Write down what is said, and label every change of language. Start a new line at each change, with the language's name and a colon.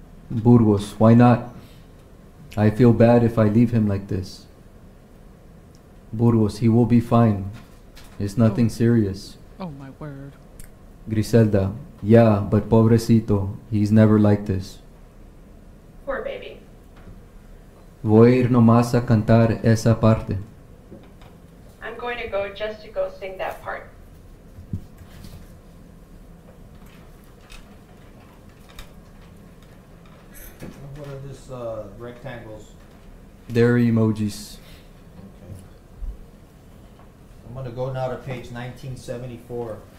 English: Burgos, why not? I feel bad if I leave him like this. Burgos, he will be fine. It's nothing serious. Oh, my word. Grizelda, yeah, but
Spanish: pobrecito,
English: he's never like this. Poor baby.
Spanish: Voy a ir nomás a cantar esa parte.
English: I'm going to go just to go sing that part. What are these rectangles? They're emojis. Okay. I'm going to go now to page 1974.